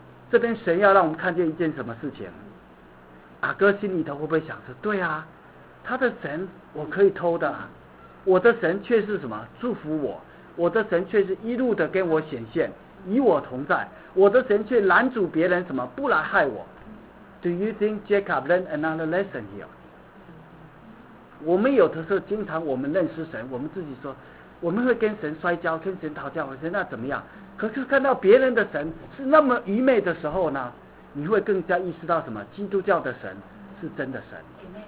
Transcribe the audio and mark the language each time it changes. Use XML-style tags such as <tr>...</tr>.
<zh>这边神要让我们看见一件什么事情？雅各心里头会不会想着，对啊，他的神我可以偷的，我的神却是什么祝福我，我的神却是一路的跟我显现，与我同在，我的神却拦阻别人什么不来害我。</zh> <en>Do you think Jacob learned another lesson here?</en> <zh>我们有的时候经常我们认识神，我们自己说我们会跟神摔跤，跟神讨价还价，那怎么样？可是看到别人的神是那么愚昧的时候呢，你会更加意识到什么？基督教的神是真的神。</zh>